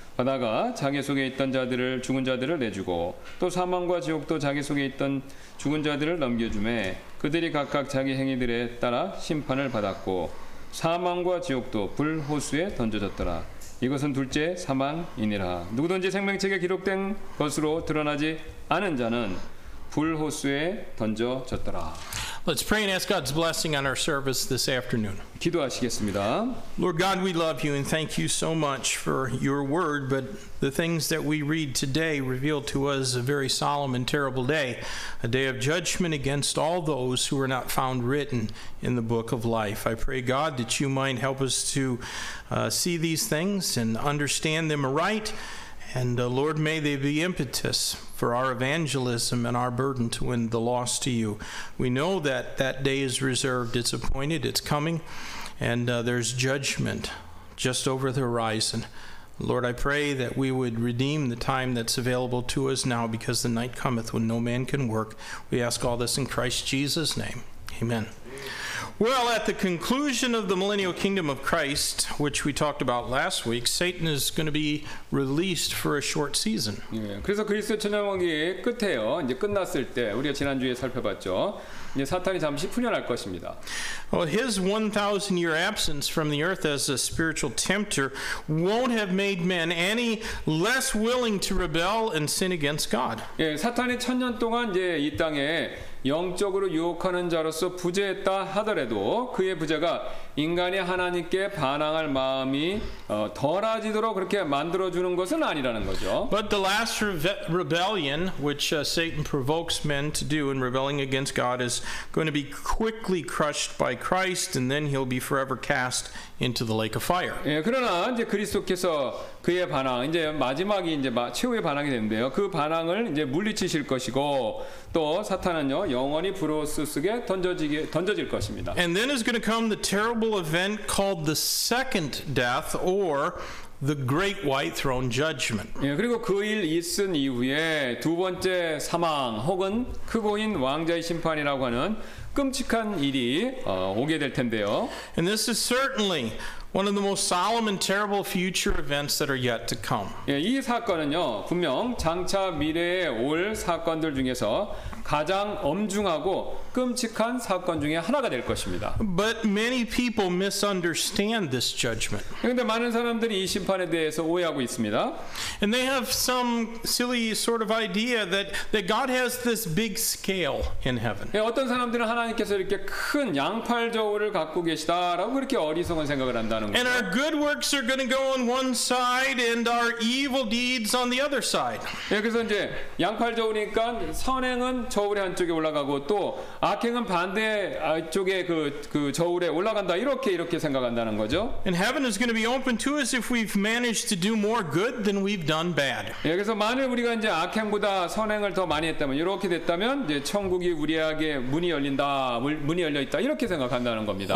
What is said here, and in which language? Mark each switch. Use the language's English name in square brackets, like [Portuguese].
[Korean] 바다가 자기 속에 있던 자들을 죽은 자들을 내주고 또 사망과 지옥도 자기 속에 있던 죽은 자들을 넘겨주매 그들이 각각 자기 행위들에 따라 심판을 받았고 사망과 지옥도 불 호수에 던져졌더라. 이것은 둘째 사망이니라. 누구든지 생명책에 기록된 것으로 드러나지 않은 자는 불 호수에 던져졌더라. [English] Let's pray and ask God's blessing on our service this afternoon. [Korean] 기도하시겠습니다. [English] Lord God, we love you and thank you so much for your word, but the things that we read today reveal to us a very solemn and terrible day, a day of judgment against all those who are not found written in the book of life. I pray, God, that you might help us to see these things and understand them aright, and Lord, may they be impetus for our evangelism and our burden to win the lost to you. We know that that day is reserved, it's appointed, it's coming, and there's judgment just over the horizon. Lord, I pray that we would redeem the time that's available to us now, because the night cometh when no man can work. We ask all this in Christ Jesus' name. Amen. Well, at the conclusion of the millennial kingdom of Christ, which we talked about last week, Satan is going to be released for a short season. [Korean] 예, 그래서 그리스도 천년왕이 끝에요. 이제 끝났을 때 우리가 지난주에 살펴봤죠. 이제 사탄이 잠시 풀려날 것입니다. [English] Well, his 1,000-year absence from the earth as a spiritual tempter won't have made men any less willing to rebel and sin against God. [Korean] 예, 사탄이 천년 동안 이제 이 땅에 영적으로 유혹하는 자로서 부재했다 하더라도 그의 부재가 인간이 하나님께 반항할 마음이 덜하지도록 그렇게 만들어주는 것은 아니라는 거죠. [English] But the last rebellion which Satan provokes men to do in rebelling against God is going to be quickly crushed by Christ, and then he'll be forever cast into the lake of fire. [Korean] 예, 그러나 이제 그리스도께서 그의 반항, 이제 마지막이 이제 최후의 반항이 되는데요. 그 반항을 이제 물리치실 것이고 또 사탄은요 영원히 불호수 속에 던져질 것입니다. [English] And then is going to come the terrible event called the second death or the great white throne judgment. [Korean] 예, 그리고 그 일 있은 이후에 두 번째 사망 혹은 크고 흰 왕좌의 심판이라고 하는 끔찍한 일이 오게 될 텐데요. [English] And this is certainly one of the most solemn and terrible future events that are yet to come. [Korean] 예, 이 사건은요, 분명 장차 미래에 올 사건들 중에서 가장 엄중하고 끔찍한 사건 중에 하나가 될 것입니다. [English] But many people misunderstand this judgment. [Korean] 그런데 많은 사람들이 이 심판에 대해서 오해하고 있습니다. [English] And they have some silly sort of idea that God has this big scale in heaven. [Korean] 예, 어떤 사람들은 하나님께서 이렇게 큰 양팔 저울을 갖고 계시다라고 그렇게 어리석은 생각을 한다는 거죠. [English] And our good works are going to go on one side and our evil deeds on the other side. [Korean] 예, 그래서 이제 양팔 저울이니까 선행은 저울의 한쪽에 올라가고 또 악행은 반대 쪽에 그 저울에 올라간다 이렇게 생각한다는 거죠. [English] And heaven is going to be open to us if we've managed to do more good than we've done bad. [Korean] 여기서 만일 우리가 이제 악행보다 선행을 더 많이 했다면 이렇게 됐다면 이제 천국이 우리에게 문이 열려 있다 이렇게 생각한다는 겁니다.